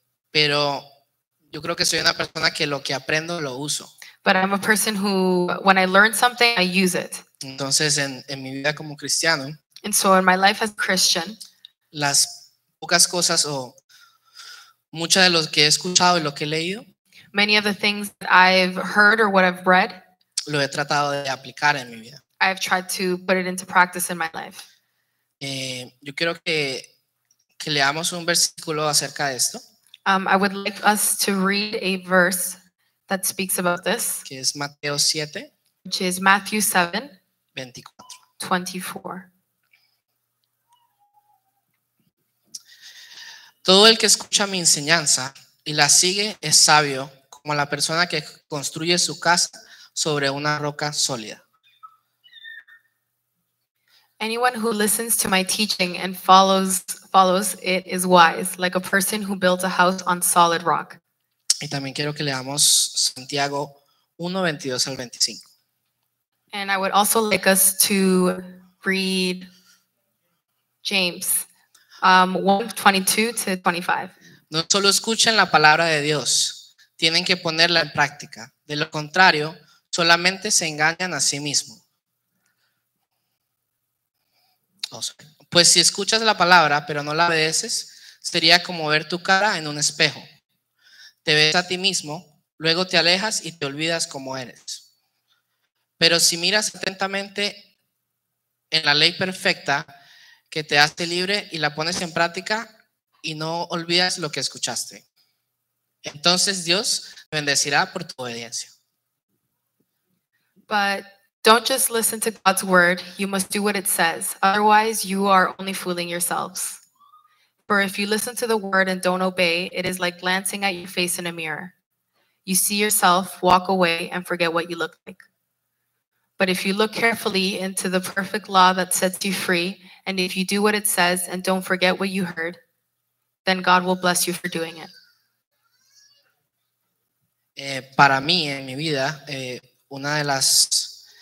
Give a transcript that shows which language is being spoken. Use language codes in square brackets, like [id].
[es] Pero yo creo que soy una persona que lo que aprendo lo uso. [en] But I'm a person who, when I learn something, I use it. [es] Entonces, en mi vida como cristiano. [en] And so in my life as a Christian. [es] Las pocas cosas o mucha de lo que he escuchado y lo que he leído. [en] many of the things that I've heard or what I've read, [es] lo he tratado de aplicar en mi vida. [en] I've tried to put it into practice in my life. [es] Yo quiero que leamos un versículo acerca de esto. [en] I would like us to read a verse that speaks about this. [es] Que es Mateo 7. [en] Which is Matthew 7. [es] 24. [en] 24. [es] Todo el que escucha mi enseñanza y la sigue es sabio, como la persona que construye su casa sobre una roca sólida. [en] Anyone who listens to my teaching and follows it is wise, like a person who built a house on solid rock. [es] Y también quiero que leamos Santiago 1, 22 al 25. [en] And I would also like us to read James 1:22-25. [es] No solo escuchen la palabra de Dios, tienen que ponerla en práctica. De lo contrario, solamente se engañan a sí mismos. Pues si escuchas la palabra pero no la obedeces, sería como ver tu cara en un espejo. Te ves a ti mismo, luego te alejas y te olvidas cómo eres. Pero si miras atentamente en la ley perfecta que te hace libre y la pones en práctica y no olvidas lo que escuchaste, entonces Dios te bendecirá por tu obediencia. [en] But don't just listen to God's word, you must do what it says. Otherwise, you are only fooling yourselves. For if you listen to the word and don't obey, it is like glancing at your face in a mirror. You see yourself, walk away, and forget what you look like. But if you look carefully into the perfect law that sets you free, and if you do what it says and don't forget what you heard, then God will bless you for doing it. [es] Para mí, en mi vida, una de las...